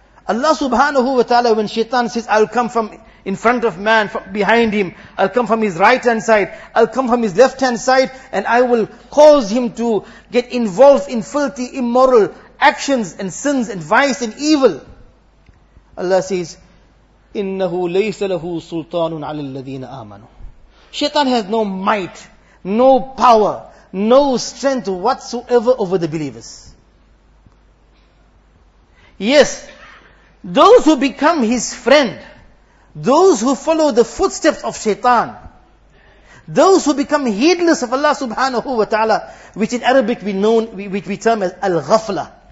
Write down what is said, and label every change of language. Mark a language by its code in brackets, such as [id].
[en] Allah subhanahu wa ta'ala, when shaitan says, I'll come from in front of man, from behind him, I'll come from his right hand side, I'll come from his left hand side, and I will cause him to get involved in filthy, immoral actions and sins and vice and evil. Allah says, [ar] إِنَّهُ لَيْسَ لَهُ سُلْطَانٌ عَلَى الَّذِينَ آمَنُوا. [en] Shaitan has no might, no power, no strength whatsoever over the believers. Yes, those who become his friend, those who follow the footsteps of shaitan, those who become heedless of Allah subhanahu wa ta'ala, which in Arabic we term as al-ghafla.